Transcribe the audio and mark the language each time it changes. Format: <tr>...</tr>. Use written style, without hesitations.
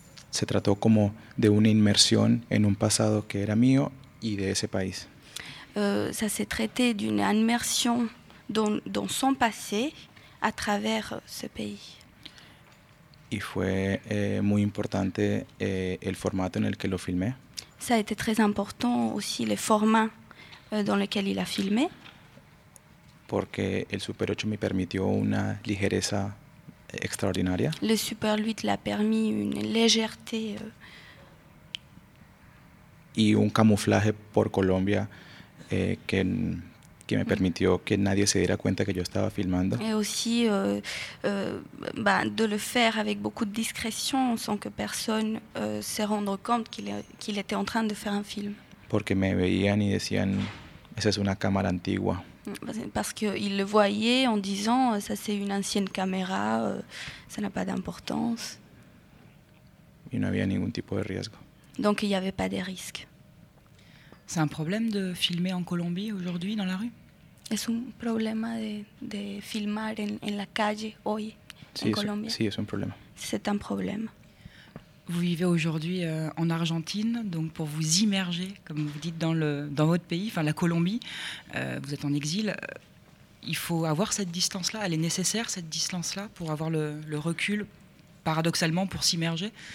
<es>Se trató como de una inmersión en un pasado que era mío y de ese país.</es> <fr>Ça s'est traité d'une immersion dans son passé à travers ce pays.</fr> <es>Y fue muy importante el formato en el que lo filmé.</es> <fr>Ça a été très important aussi le format dans lequel il a filmé.</fr> <es>Porque el Super 8 me permitió una ligereza extraordinaria.</es> <fr>Le Super 8 l'a permis une légèreté</fr> <es>y un camuflaje por Colombia que me permitió que nadie se diera cuenta que yo estaba filmando.</es> <fr>Et aussi de le faire avec beaucoup de discrétion sans que personne se rende compte qu'il était en train de faire un film.</fr> <es>Porque me veían y decían, esa es una cámara antigua.</es> <fr>Parce qu'ils le voyaient en disant ça c'est une ancienne caméra, ça n'a pas d'importance. Il n'y avait aucun type de risque. Donc il n'y avait pas de risque. C'est un problème de filmer en Colombie aujourd'hui dans la rue?</fr> <es>Es un problema de filmar en la calle hoy sí, en Colombia. Sí, es un problema. C'est un problème.</es> <fr>Vous vivez aujourd'hui en Argentine, donc pour vous immerger, comme vous dites, dans votre pays, enfin la Colombie, vous êtes en exil. Il faut avoir cette distance-là, elle est nécessaire, cette distance-là, pour avoir le recul, paradoxalement, pour s'immerger.</fr>